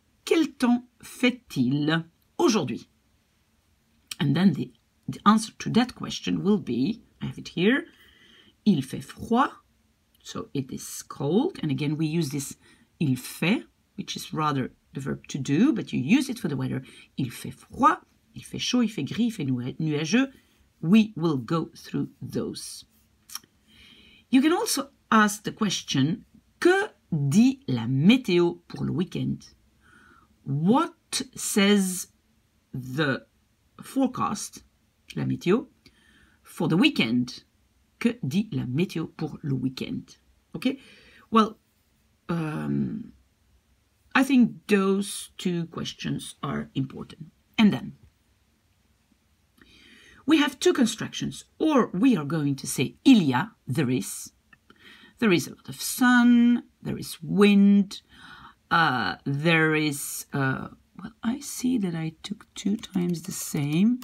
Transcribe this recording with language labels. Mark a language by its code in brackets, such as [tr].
[fr] Quel temps fait-il aujourd'hui? [en] And then the answer to that question will be, I have it here, [fr] il fait froid, [en] so it is cold. And again, we use this il fait, which is rather the verb to do, but you use it for the weather. [fr] Il fait froid, il fait chaud, il fait gris, il fait nuageux. [en] We will go through those. You can also ask the question, [fr] que dit la météo pour le week-end? [en] What says the forecast, la météo, for the weekend? [fr] Que dit la météo pour le week-end? [en] Okay, well, I think those two questions are important. And then, we have two constructions, or we are going to say il y a, there is. There is a lot of sun, there is wind, there is, well, I see that I took two times the same.